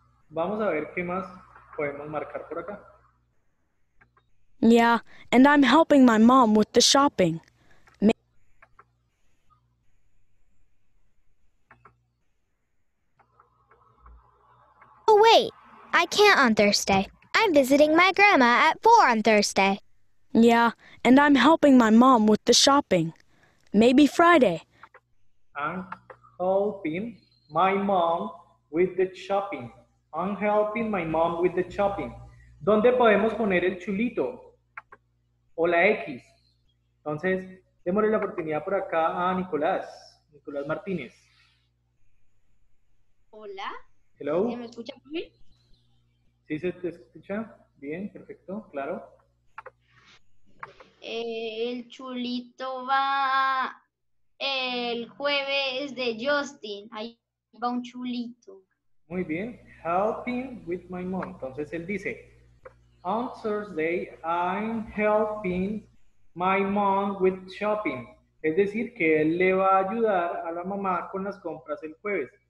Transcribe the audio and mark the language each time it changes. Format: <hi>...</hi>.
<es>Vamos a ver qué más podemos marcar por acá.</es> <en>Yeah, and I'm helping my mom with the shopping. Oh, wait. I can't on Thursday. I'm visiting my grandma at 4 on Thursday. Yeah, and I'm helping my mom with the shopping. Maybe Friday. I'm helping my mom with the shopping. I'm helping my mom with the shopping.</en> <es>¿Dónde podemos poner el chulito? o la X. Entonces, démosle la oportunidad por acá a Nicolás, Nicolás Martínez. Hola.</es> <en>Hello.</en> <es>¿Se me escucha bien? Sí, se te escucha bien, perfecto, claro. El chulito va el jueves de Justin. Ahí va un chulito.</es> <en>Muy bien. Helping with my mom.</en> <es>Entonces él dice,</es> <en>on Thursday I'm helping my mom with shopping.</en> <es>Es decir, que él le va a ayudar a la mamá con las compras el jueves.</es>